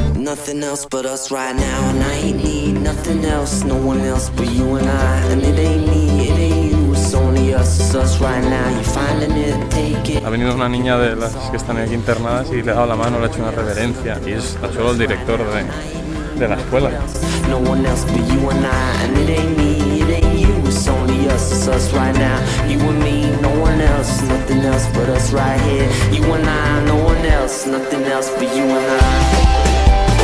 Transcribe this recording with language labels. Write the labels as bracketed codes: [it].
[en] Nothing else but us right now, and I ain't need nothing else, no one else but you and I. And it ain't me, it ain't you, it's only us, it's us right now. You finding it, take it. [es] Ha venido una niña de las que están aquí internadas y le ha dado la mano, le ha hecho una reverencia y es a solo el director de la escuela. [en] No one else but you and I, and it ain't me, it ain't you, it's only us, it's us right now. You and me, no one else, nothing else but us right here. You and I, no one else, nothing else but you and I.